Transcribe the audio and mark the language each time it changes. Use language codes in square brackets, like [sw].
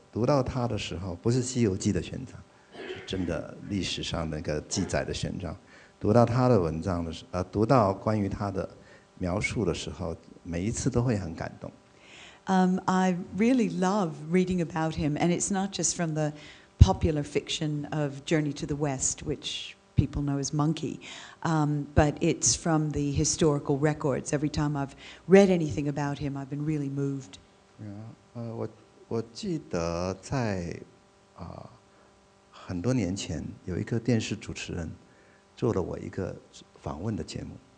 [zh] 读到他的时候，不是《西游记》的玄奘，是真的历史上那个记载的玄奘。读到他的文章的时候，读到关于他的描述的时候，每一次都会很感动。 [en] I really love reading about him, and it's not just from the popular fiction of Journey to the West, which people know as Monkey, but it's from the historical records. Every time I've read anything about him, I've been really moved. Yeah, [zh] 我记得在很多年前有一个电视主持人做了我一个访问的节目。